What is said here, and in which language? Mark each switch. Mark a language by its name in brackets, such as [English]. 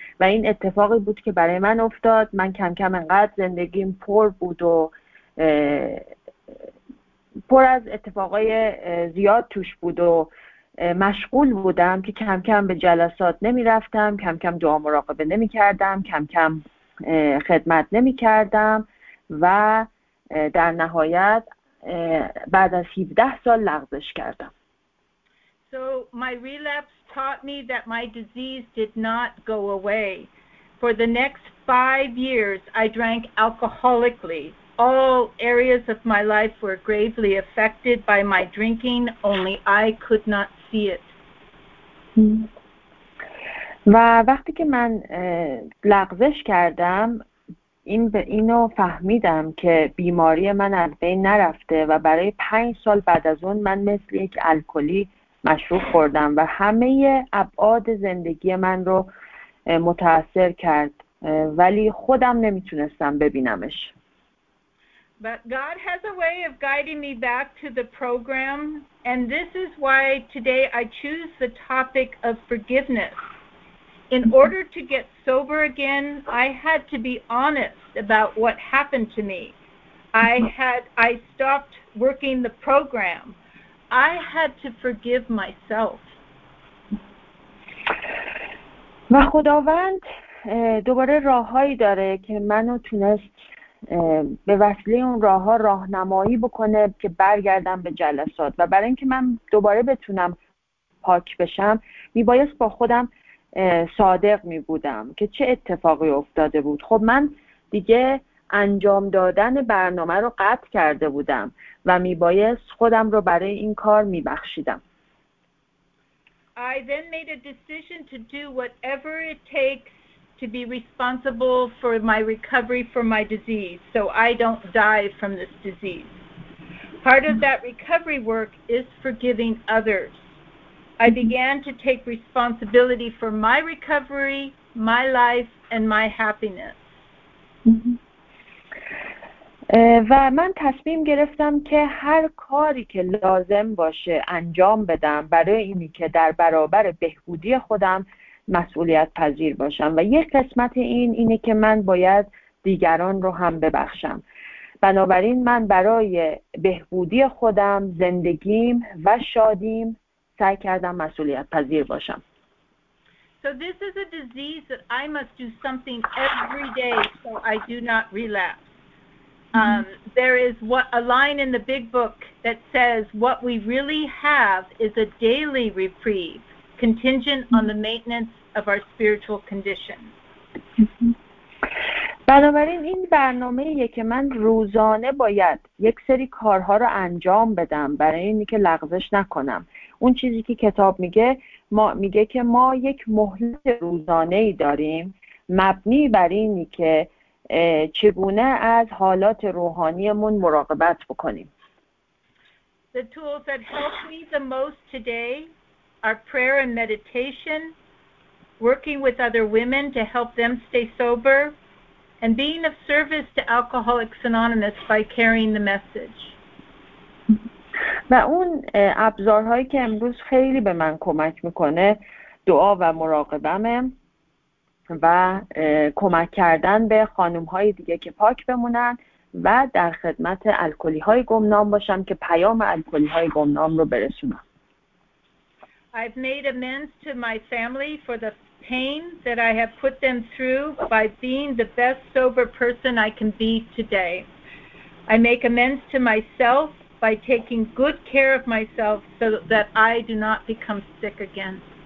[Persian] و این اتفاقی بود که برای من افتاد. من کم کم انقدر زندگیم پر بود و پر از اتفاقای زیاد توش بود و مشغول بودم که کم کم به جلسات نمی رفتم، کم کم دعا مراقبه نمی کردم، کم کم خدمت نمی کردم و در نهایت بعد از 17 سال لغزش کردم. [English] So my relapse taught me that my disease did not go away. For the next 5 years, I drank alcoholically. All areas of my life were gravely affected by my drinking, only I could not see it. [Persian] و وقتی که من لغزش کردم، اینو فهمیدم که بیماری من از بین نرفته و برای 5 سال بعد از اون من مثل یک الکلی مشروب خوردم و همه ابعاد زندگی من رو متاثر کرد ولی خودم نمیتونستم ببینمش. [English] But God has a way of guiding me back to the program and this is why today I choose the topic of forgiveness. In order to get sober again, I had to be honest about what happened to me. I stopped working the program. I had to forgive myself. [Persian] و خداوند دوباره راههایی داره که منو تونست به وسیله اون راهها راهنمایی بکنه که برگردم به جلسات و برای اینکه من دوباره بتونم پاک بشم میبایست با خودم صادق میبودم که چه اتفاقی افتاده بود. خب من دیگه انجام دادن برنامه رو قطع کرده بودم و میبایست خودم رو برای این کار میبخشیدم. [English] I then made a decision to do whatever it takes to be responsible for my recovery from my disease so I don't die from this disease. Part of that recovery work is forgiving others. I began to take responsibility for my recovery, my life and my happiness. [Persian] و من تصمیم گرفتم که هر کاری که لازم باشه انجام بدم برای اینی که در برابر بهبودی خودم مسئولیت پذیر باشم، و یک قسمت این اینه که من باید دیگران رو هم ببخشم. بنابراین من برای بهبودی خودم، زندگیم و شادیم سعی کردم مسئولیت پذیر باشم. [English] So this is a disease that I must do something every day so I do not relapse. There is a line in the big book that says what we really have is a daily reprieve contingent on the maintenance of our spiritual condition. [Persian] بنابراین این برنامه‌ایه که من روزانه باید یک سری کارها رو انجام بدم برای اینکه لغزش نکنم. اون چیزی که کتاب میگه، ما میگه که ما یک مهلت روزانه‌ای داریم مبنی بر اینی که چگونه از حالات روحانیمون مراقبت بکنیم. [English] The tools that help me the most today are prayer and meditation, working with other women to help them stay sober, and being of service to Alcoholics Anonymous by carrying the message. [Persian] و اون ابزارهایی که امروز خیلی به من کمک میکنه دعا و مراقبمه و کمک کردن به خانومهای دیگه که پاک بمونن و در خدمت الکلیهای گمنام باشم که پیام الکلیهای گمنام رو برسونم. [English] I've made amends to my family for the pain that I have put them through by being the best sober person I can be today. I make amends to myself by taking good care of myself so that I do not become sick again.